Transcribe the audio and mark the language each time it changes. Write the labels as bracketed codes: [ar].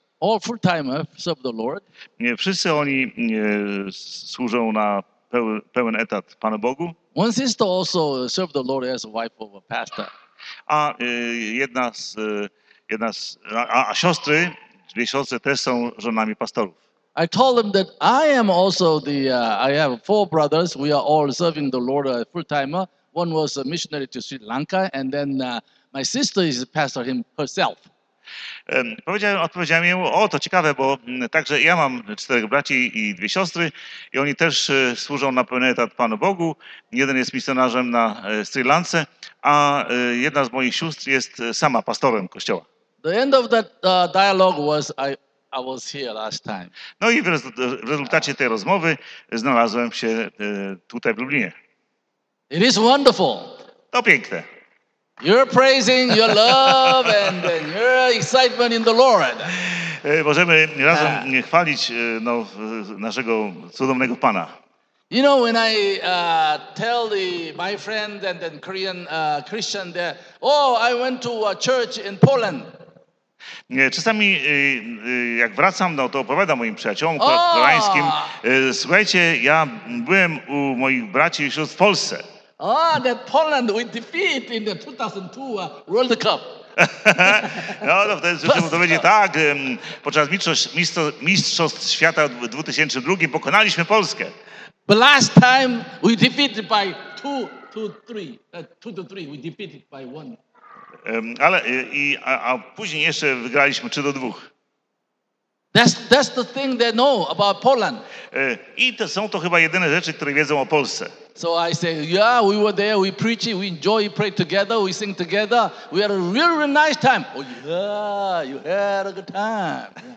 [en] All full-timers of the Lord. [pl] Wszyscy oni służą na pełen etat Panu Bogu. [en] One sister also served the Lord as a wife of a pastor. [pl] A siostry, dwie siostry też są żonami pastorów. [en] I told them that I am also the I have four brothers. We are all serving the Lord full-timer. One was a missionary to Sri Lanka, and then my sister is a pastor herself. [pl] Odpowiedziałem mu, o, to ciekawe, bo także ja mam czterech braci i dwie siostry i oni też służą na pełen etat Panu Bogu. Jeden jest misjonarzem na Sri Lance, a jedna z moich sióstr jest sama pastorem kościoła. [en] The end of that dialogue was I was here last time. [pl] No i w rezultacie tej rozmowy znalazłem się tutaj w Lublinie. [en] It is wonderful. [pl] To piękne. [en] You're praising your love and your excitement in the Lord. [pl] Możemy razem chwalić no, naszego cudownego Pana. [en] You know, when I tell my friend and then Korean Christian there, oh, I went to a church in Poland. [pl] Nie, czasami jak wracam, no, to opowiadam moim przyjaciołom koreańskim, słuchajcie, ja byłem u moich braci i sióstr w Polsce. [en] Oh, that Poland we defeat in the 2002 World Cup. [pl] No, to wtedy to będzie tak. Podczas mistrzostw świata w 2002 pokonaliśmy Polskę. [en] But last time we defeated by 2-3 we defeated by 1. [pl] Ale później jeszcze wygraliśmy 3-2. [en] That's the thing they know about Poland. [pl] I to są to chyba jedyne rzeczy, które wiedzą o Polsce. [en] So I say, yeah, we were there, we preach, we enjoy, pray together, we sing together. We had a really, really nice time. Oh yeah, you had a good time.